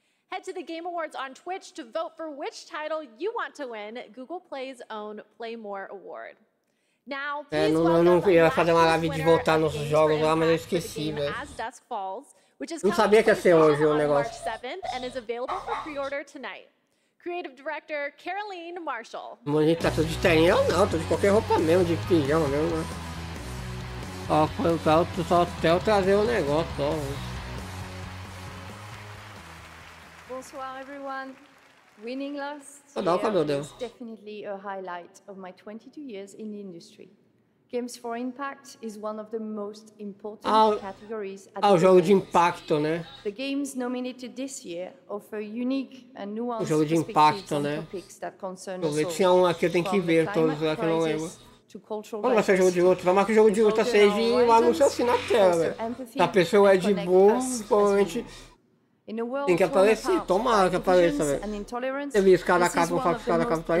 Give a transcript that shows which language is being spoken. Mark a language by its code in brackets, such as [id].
[en] Head to the Game Awards on Twitch to vote for which title you want to win Google Play's own Play More Award. Now, please welcome the game As Dusk Falls, which is coming on March 7th and is available for pre-order tonight. Creative Director Caroline Marshall. [pt] Bonita, tá tudo de terninho? Não, tô de qualquer roupa mesmo, de pijama mesmo. Ó, foi o carro só até eu trazer o negócio, ó. [en] Bonsoir, everyone. Winning last year is definitely a highlight of my 22 years in the industry. Games for impact is one of the most important categories at [pt] the jogo de impacto, né? [en] The games nominated this year offer unique and nuanced [pt] jogo de impacto, né? [en] Topics that concern us all. [pt] Tinha um aqui, eu tenho que ver todos, já que eu não lembro. Vamos lá, seu jogo de luta. Vamos lá que o jogo de luta seja um anúncio assim na tela, velho. A pessoa é de boa, provavelmente... Tem que aparecer, tomara que apareça, velho. Eu vi os caras acabam, vou falar que os caras acabam pra